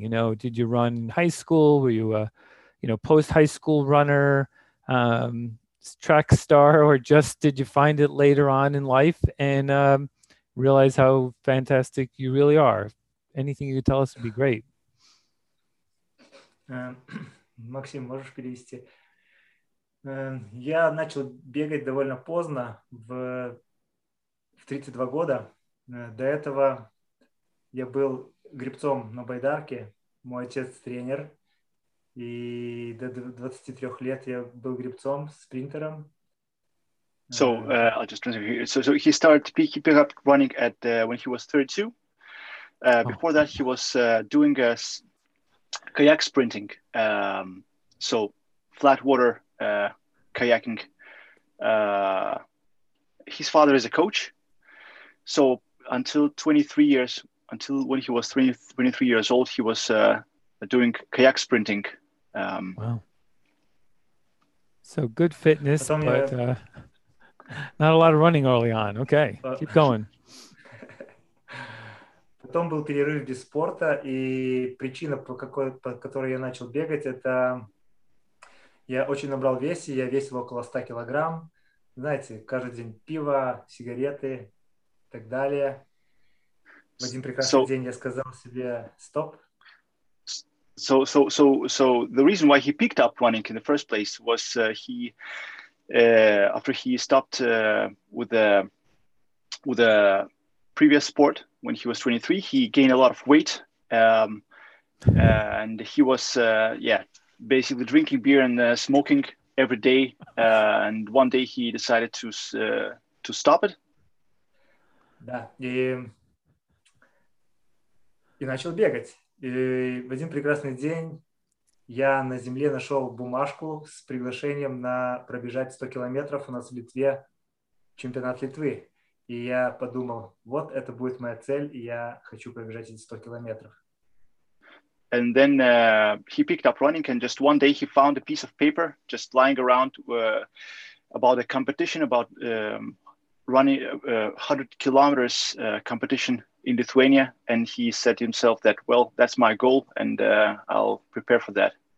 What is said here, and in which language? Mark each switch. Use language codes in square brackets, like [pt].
[en] You know, did you run in high school? Were you a, you know, post-high school runner, track star, or just did you find it later on in life and realize how fantastic you really are? Anything you could tell us would be great. [ru] Максим, можешь перевести? Я начал бегать довольно поздно, в 32 года. До этого я был гребцом на байдарке. Мой отец тренер. И до 23 лет я был гребцом, спринтером. [en] So, I'll just translate here. So he started to pick up running at when he was 32. Before that, he was doing kayak sprinting, so flat water kayaking. His father is a coach. So when he was 23 years old, he was doing kayak sprinting. Wow. So good fitness, but not a lot of running early on. Okay, keep going. [ru] Потом был перерыв без спорта, и причина, по которой я начал бегать, это я очень набрал вес, и я весил около 100 килограмм. Знаете, каждый день пиво, сигареты и так далее. В один прекрасный день я сказал себе стоп. [en] So the reason why he picked up running in the first place was he after he stopped with the previous sport when he was 23, he gained a lot of weight. And he was basically drinking beer and smoking every day. And one day he decided to stop it. [ru] И начал бегать. И в один прекрасный день я на земле нашел бумажку с приглашением на пробежать 100 километров у нас в Литве, чемпионат Литвы. И я подумал, вот это будет моя цель, и я хочу пробежать эти 100 километров. [en] And then he picked up running, and just one day he found a piece of paper just lying around about a competition, about running 100 kilometers competition in Lithuania, and he said to himself that, well, that's my goal, and I'll prepare for that.